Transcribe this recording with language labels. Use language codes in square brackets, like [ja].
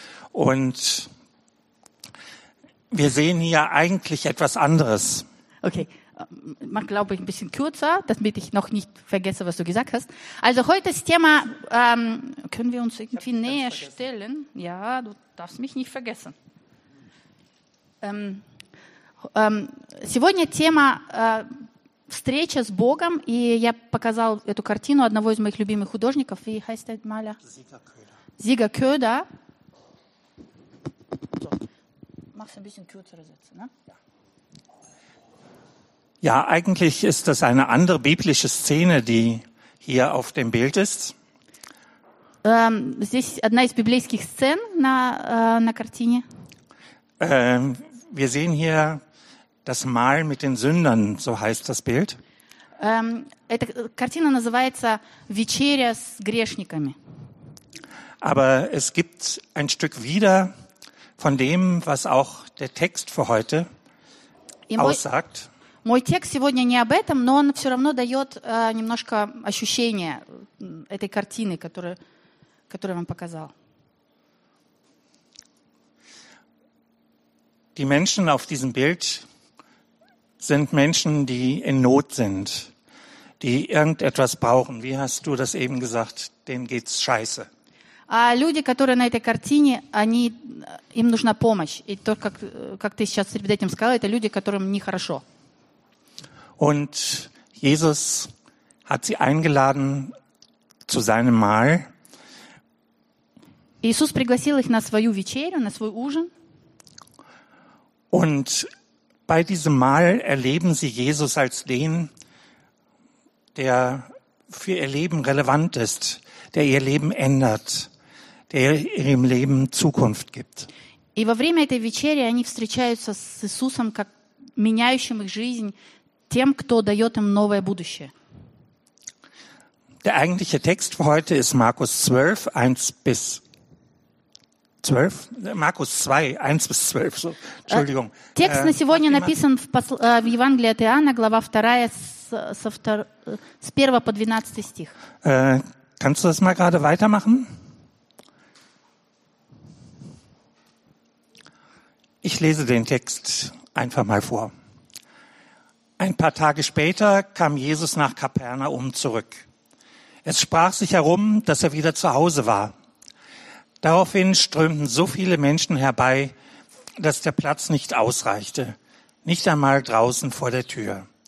[de] Und wir sehen hier eigentlich etwas anderes. Okay. Mach, glaube ich, ein bisschen kürzer, damit ich noch nicht vergesse, was du gesagt hast. Also heute das Thema, können wir uns irgendwie näher stellen? Ja, du darfst mich nicht vergessen. [ru] Сегодня тема встреча с Богом, и я показал эту картину одного из моих любимых художников. [de] Wie heißt der Maler? Sieger Köder. Mach's ein bisschen kürzer, Sätze, ne? Ja, eigentlich ist das eine andere biblische Szene, die hier auf dem Bild ist. [ru] Здесь одна из библейских сцен на картине. [de] Wir sehen hier das Mahl mit den Sündern, so heißt das Bild. [ru] Эта картина называется «Вечеря с грешниками». [de] Aber es gibt ein Stück wieder von dem, was auch der Text für heute aussagt. [ru] Мой текст сегодня не об этом, но он все равно дает немножко ощущение этой картины, которую я вам показал. [de] Die Menschen auf diesem Bild sind Menschen, die in Not sind, die irgendetwas brauchen. Wie hast du das eben gesagt? Denen geht's scheiße. [ru] Люди, которые на этой картине, им нужна помощь. И то, как ты сейчас перед этим сказал, это люди, которым нехорошо. [de] Und Jesus hat sie eingeladen zu seinem Mahl. [ru] Иисус пригласил их на свою вечерю, на свой ужин. [de] Und bei diesem Mahl erleben sie Jesus als den, der für ihr Leben relevant ist, der ihr Leben ändert, der ihrem Leben Zukunft gibt. [ru] И во время этой вечери они встречаются с Иисусом как меняющим их жизнь. Тем, кто дает им новое будущее. [de] Der eigentliche Text für heute ist Markus 12, 1 bis 12. Markus 2, 1 bis 12. So, Entschuldigung. [ru] Текст на сегодня написан в Евангелии от Иоанна, глава 2, с 1 по 12 стих. [de] Kannst du das mal gerade weitermachen? Ich lese den Text einfach mal vor. Ein paar Tage später kam Jesus nach Kapernaum zurück. Es sprach sich herum, dass er wieder zu Hause war. Daraufhin strömten so viele Menschen herbei, dass der Platz nicht ausreichte, nicht einmal draußen vor der Tür.